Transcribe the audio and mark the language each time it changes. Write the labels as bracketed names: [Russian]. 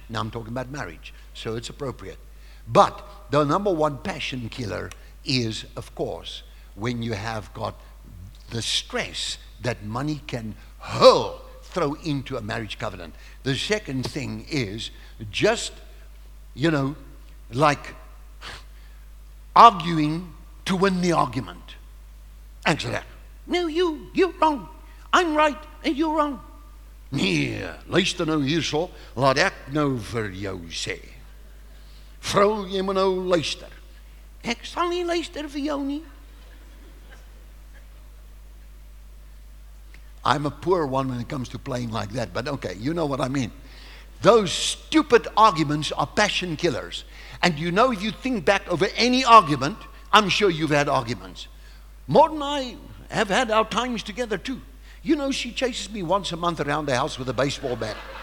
[English] Now I'm talking about marriage, so it's appropriate. But the number one passion killer is, of course, when you have got the stress that money can throw into a marriage covenant. The second thing is just, you know, like arguing to win the argument. Actually, no, you're wrong. I'm right and you're wrong. [Afrikaans] Nee, luister nou hierso, laat ek nou vir jou sê. Vrou, jy moet nou luister. Ek sal nie luister vir jou nie. [English] I'm a poor one when it comes to playing like that, but okay, you know what I mean. Those stupid arguments are passion killers. And you know, if you think back over any argument, I'm sure you've had arguments. Maud and I have had our times together too. You know, she chases me once a month around the house with a baseball bat.